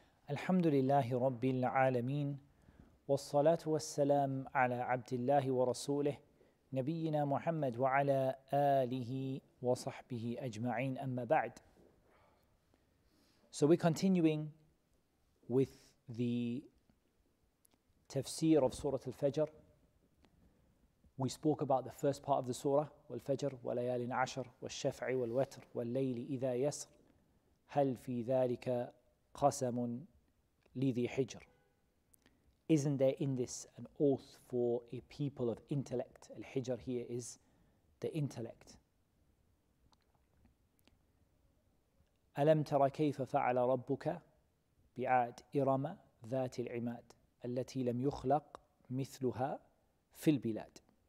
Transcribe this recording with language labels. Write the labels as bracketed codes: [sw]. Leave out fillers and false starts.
[ar] الحمد لله رب العالمين والصلاة والسلام على عبد الله ورسوله نبينا محمد وعلى آله وصحبه أجمعين أما بعد. [en] So we're continuing with the tafsir of Surah Al-Fajr. We spoke about the first part of the surah, [ar] والفجر وليال عشر والشفع والوتر والليل إذا يسر هل في ذلك قسم لِذِي حِجْر. [en] Isn't there in this an oath for a people of intellect? Al-Hijr here is the intellect. [ar] أَلَمْ تَرَ كَيْفَ فَعَلَ رَبُّكَ بِعَادْ إِرَمَ ذَاتِ الْعِمَادِ الَّتِي لَمْ يُخْلَقْ مِثْلُهَا فِي الْبِلَادِ.